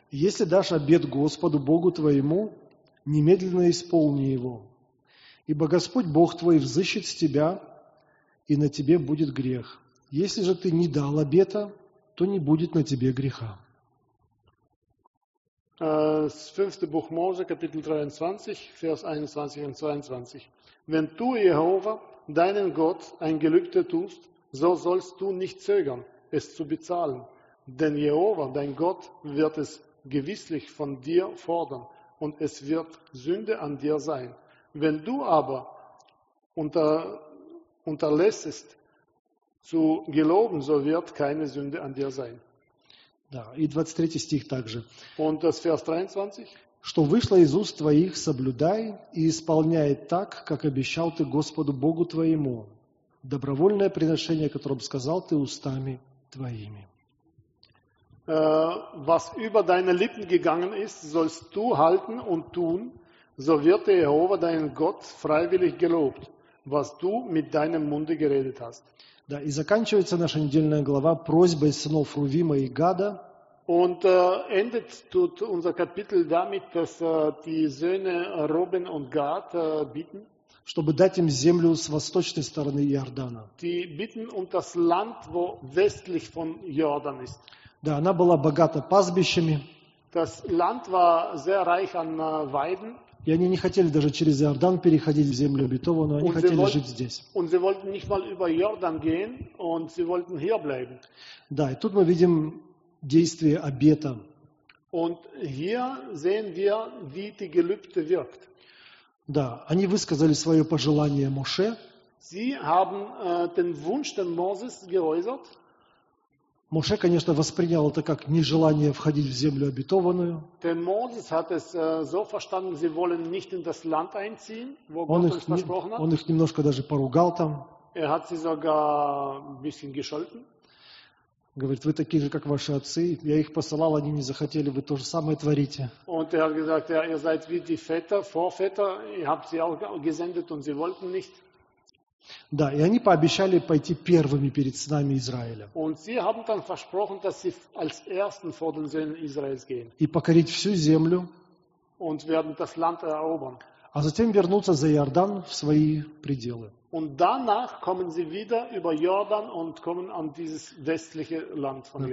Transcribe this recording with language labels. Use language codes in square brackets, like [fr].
[ru] Если дашь обет Господу Богу твоему, немедленно исполни его. Ибо Господь Бог твой взыщет с тебя, и на тебе будет грех. Если же ты не дал обета, то не будет на тебе греха. [de] Das 5. Buch Mose, Kapitel 23, Vers 21 und 22. Wenn du, Jehova, deinen Gott, ein Gelübde tust, so sollst du nicht zögern, es zu bezahlen. Denn Jehova, dein Gott, wird es gewisslich von dir fordern und es wird Sünde an dir sein. Wenn du aber unterlässest, zu geloben, so wird keine Sünde an dir sein. [ru] Да, и 23 стих также. [de] Und das Vers 23? [ru] Что вышло из уст твоих, соблюдай и исполняй так, как обещал ты Господу Богу твоему. Добровольное приношение, которое сказал ты устами твоими. [de] Was über deine Lippen gegangen ist, sollst du halten und tun, so wird der Jehova, dein Gott, freiwillig gelobt, was du mit deinem Munde geredet hast. [ru] Да, и заканчивается наша недельная глава просьбой сынов Рувима и Гада. [de] Und endet tut unser Kapitel damit, dass die Söhne Ruben und Gad bitten, [ru] чтобы дать им землю с восточной стороны Иордана. [de] Die bitten um das Land, wo westlich von Jordan ist. [ru] Да, она была богата пастбищами. [de] Das Land war sehr reich an Weiden. [ru] И они не хотели даже через Иордан переходить в землю обетованную, они хотели жить здесь. [de] Und sie wollten nicht mal über Jordan gehen, und sie wollten hier bleiben. [ru] Да, и тут мы видим действие обета. [de] Und hier sehen wir, wie die Gelübde wirkt. [ru] Да, они высказали свое пожелание Моше. [de] Sie haben den Wunsch den Moses geäußert. [ru] Моше, конечно, воспринял это как нежелание входить в землю обетованную. [de] Der Moses hat es so verstanden, sie wollen nicht in das Land einziehen, wo Gott [ru] их [de] versprochen hat. [ru] Он их немножко даже поругал там. [de] Er hat sie sogar ein bisschen gescholten. [ru] Говорит, вы такие же, как ваши отцы. Я их посылал, они не захотели, вы то же самое творите. [de] Und er hat gesagt, ihr seid wie die Väter, Vorväter, ihr habt sie auch gesendet und sie wollten nicht. [ru] Да, и они пообещали пойти первыми перед сынами Израиля. [de] Und sie haben dann versprochen, dass sie als ersten vor den Söhnen Israels gehen. [ru] И покорить всю землю. [de] Und werden das Land erobern. [ru] А затем вернуться за Иордан в свои пределы. [de] Und danach kommen sie wieder über Jordan und kommen an dieses westliche Land von Jordan.